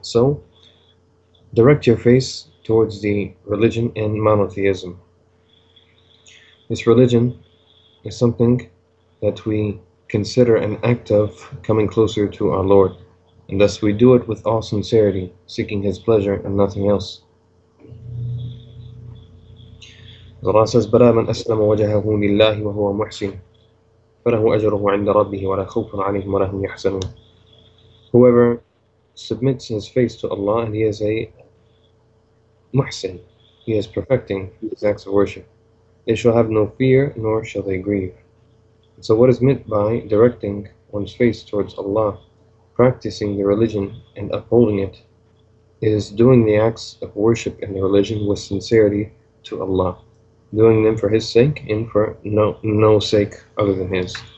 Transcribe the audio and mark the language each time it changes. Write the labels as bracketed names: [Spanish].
[English] So, direct your face towards the religion and monotheism. This religion is something that we consider an act of coming closer to our Lord, and thus we do it with all sincerity, seeking His pleasure and nothing else. Allah says, [Arabic] بَلَا مَنْ أَسْلَمَ وَجَهَهُ لِلَّهِ وَهُوَ مُحْسِنٌ فَلَهُ أَجْرُهُ عِنْدَ رَبِّهِ وَلَا خَوْفٌ عَلَيْهِمْ وَلَا هُمْ يَحْزَنُونَ. [English] Whoever submits his face to Allah and he is a muhsin, he is perfecting his acts of worship, they shall have no fear nor shall they grieve. So what is meant by directing one's face towards Allah, practicing the religion and upholding it, is doing the acts of worship and the religion with sincerity to Allah, doing them for His sake and for no sake other than His.